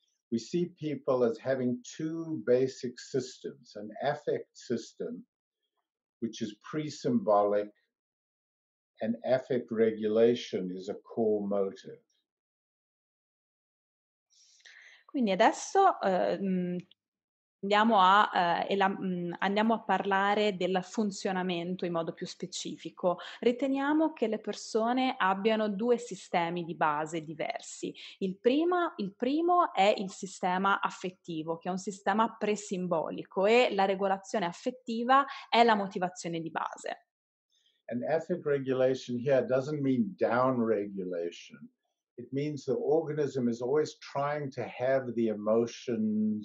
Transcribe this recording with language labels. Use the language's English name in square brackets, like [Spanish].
[English] We see people as having two basic systems, an affect system, which is pre-symbolic, and affect regulation is a core motive. [Italian] Quindi adesso andiamo a parlare del funzionamento in modo più specifico. Riteniamo che le persone abbiano due sistemi di base diversi. Il primo è il sistema affettivo, che è un sistema presimbolico, e la regolazione affettiva è la motivazione di base. [English] An affect regulation here doesn't mean down regulation. It means the organism is always trying to have the emotions